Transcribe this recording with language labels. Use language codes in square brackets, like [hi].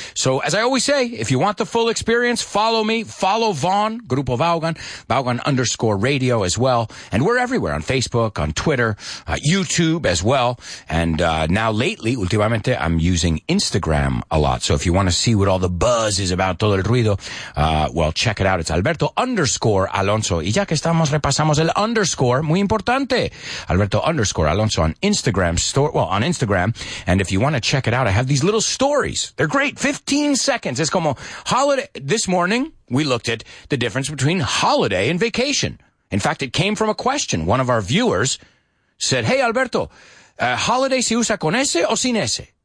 [en] So as I always say, if you want the full experience, follow me. Follow Vaughn, Grupo Vaughan, Vaughan underscore radio as well. And we're everywhere on Facebook, on Twitter, YouTube as well. And now lately, últimamente, I'm using Instagram a lot. So if you want to see what all the buzz is about, [es] todo el ruido, [en] well, check it out. It's Alberto underscore Alonso. [es] Y ya que estamos, repasamos el underscore, muy importante. [en] Alberto underscore Alonso on Instagram, on Instagram. And if you want to check it out, I have these little stories. They're great. 15 seconds. It's como holiday. This morning, we looked at the difference between holiday and vacation. In fact, it came from a question. One of our viewers said, hey, Alberto, holiday [es] se usa con ese o sin ese?